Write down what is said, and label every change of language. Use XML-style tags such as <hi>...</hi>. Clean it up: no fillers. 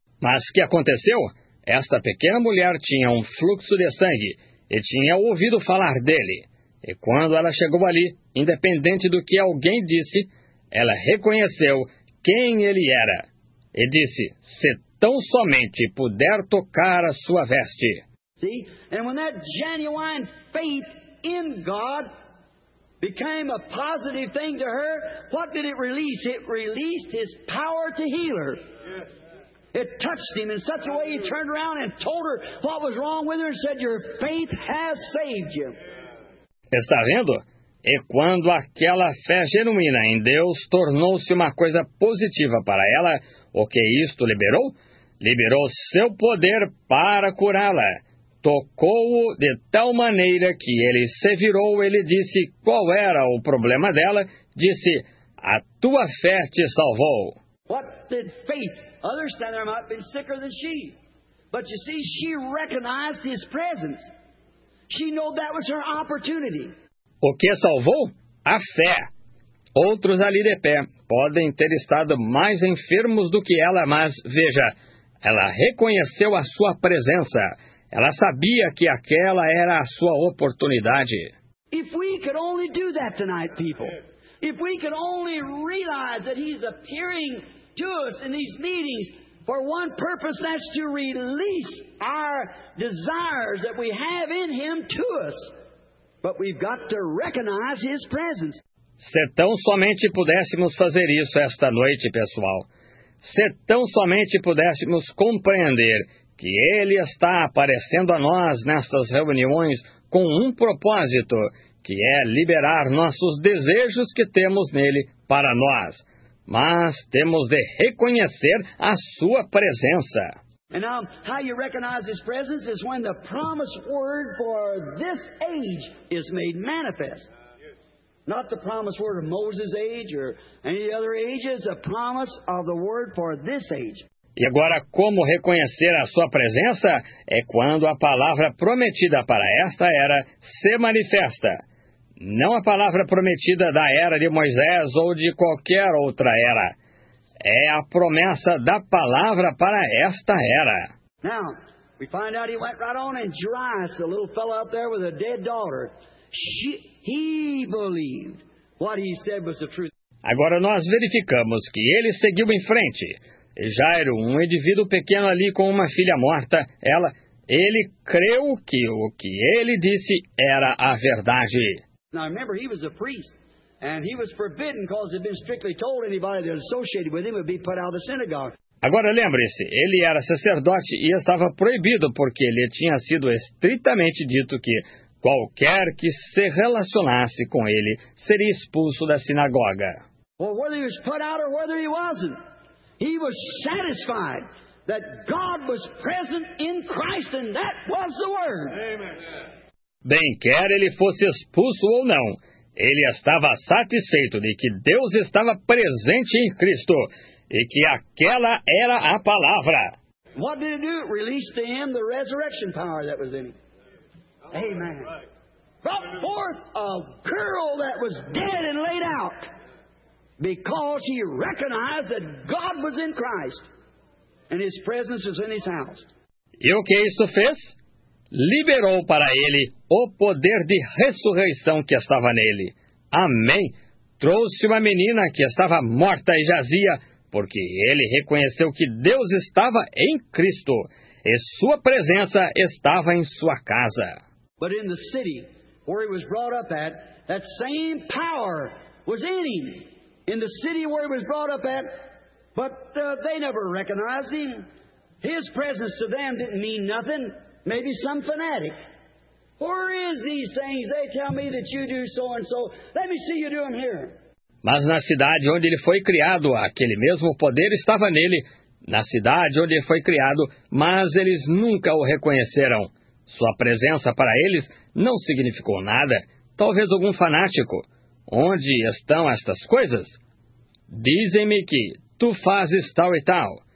<pt>Mas que aconteceu? Esta pequena mulher tinha um fluxo de sangue e tinha ouvido falar dele. E quando ela chegou ali, independente do que alguém disse, ela reconheceu quem ele era. E disse, se tão somente puder tocar a sua veste.</pt> <en>See? And when that genuine faith in God became a positive thing to her, what did it release? It released his power to heal her. It touched him in such a way he turned around and told her what was wrong with her and said, your faith has saved you.</en> <pt>Está vendo? E quando aquela fé genuína em Deus tornou-se uma coisa positiva para ela, o que isto liberou? Liberou seu poder para curá-la. tocou-o de tal maneira que ele se virou. Ele disse qual era o problema dela. Disse, a tua fé te salvou.</pt> <en>What did faith? Others stand there might be sicker than she. But you see, she recognized his presence. She knew that was her opportunity.</en> <pt>O que salvou? A fé. Outros ali de pé podem ter estado mais enfermos do que ela, mas veja, ela reconheceu a sua presença. Ela sabia que aquela era a sua oportunidade.</pt> <en>If we could only do that tonight, people. If we could only realize that he's appearing to us in these meetings for one purpose, that's to release our desires that we have in him to us. But we've got to recognize his presence.</en> <pt>Se tão somente pudéssemos fazer isso esta noite, pessoal. Se tão somente pudéssemos compreender que ele está aparecendo a nós nestas reuniões com um propósito, que é liberar nossos desejos que temos nele para nós. Mas temos de reconhecer a sua presença. E agora, como você reconhece sua presença é quando a palavra para esta age é feita manifesta.</pt> <en>Not the promise word of Moses' age or any other ages, a promise of the word for this age.</en> <pt>E agora, como reconhecer a sua presença? É quando a palavra prometida para esta era se manifesta. Não a palavra prometida da era de Moisés ou de qualquer outra era. É a promessa da palavra para esta era.</pt> <en>Now, we find out he went right on and Jairus, a little fellow up there with a dead daughter, he believed what he said was the truth.</en> <pt>Agora nós verificamos que ele seguiu em frente. Jairo, um indivíduo pequeno ali com uma filha morta, ele creu que o que ele disse era a verdade.</pt> <en>Now remember, he was a priest, and he was forbidden because he'd been strictly told anybody that associated with him would be put out of the synagogue.</en> <pt>Agora lembre-se, ele era sacerdote e estava proibido porque ele tinha sido estritamente dito que qualquer que se relacionasse com ele seria expulso da sinagoga.</pt> <en>Well, whether he was put out or whether he wasn't, he was satisfied that God was present in Christ, and that was the word. Amen.</en> <pt>Bem, quer ele fosse expulso ou não, ele estava satisfeito de que Deus estava presente em Cristo e que aquela era a palavra.</pt> <en>What did it do? It released to him the resurrection power that was in him. Amen. Brought forth a girl that was dead and laid out because he recognized that God was in Christ and his presence was in his house.</en> <pt>E o que isso fez? Liberou para ele o poder de ressurreição que estava nele. Amém. Trouxe uma menina que estava morta e jazia porque ele reconheceu que Deus estava em Cristo e sua presença estava em sua casa.</pt> <en>But in the city where he was brought up at, that same power was in him. In the city where he was brought up at, but they never recognized him. His presence to them didn't mean nothing. Maybe some fanatic. Where is these things? They tell me that you do so and so. Let me see you do them here.</en> <pt>Mas na cidade onde ele foi criado, aquele mesmo poder estava nele. Na cidade onde ele foi criado, mas eles nunca o reconheceram. Sua presença para eles não significou nada. Talvez algum fanático. Onde estão estas coisas? Dizem-me que tu fazes tal e tal.</pt>